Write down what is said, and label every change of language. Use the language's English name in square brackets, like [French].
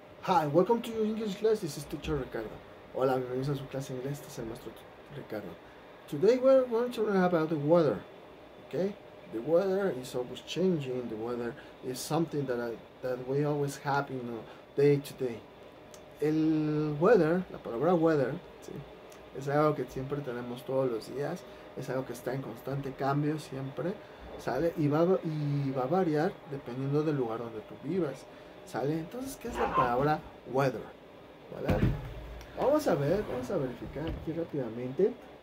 [English] Hi, welcome to your English class. This is teacher Ricardo. [Spanish] Hola, bienvenidos a su clase de inglés. Este es el maestro Ricardo. [English] Today we're going to learn about the weather. Okay? The weather is always changing. The weather is something that we always have in a day to day. [Spanish] El weather, la palabra weather, ¿sí? Es algo que siempre tenemos todos los días. Es algo que está en constante cambio siempre. ¿Sale? Y va a variar dependiendo del lugar donde tú vivas. ¿Sale? Entonces, ¿qué es la palabra weather? ¿Vale? Vamos a verificar aquí rápidamente.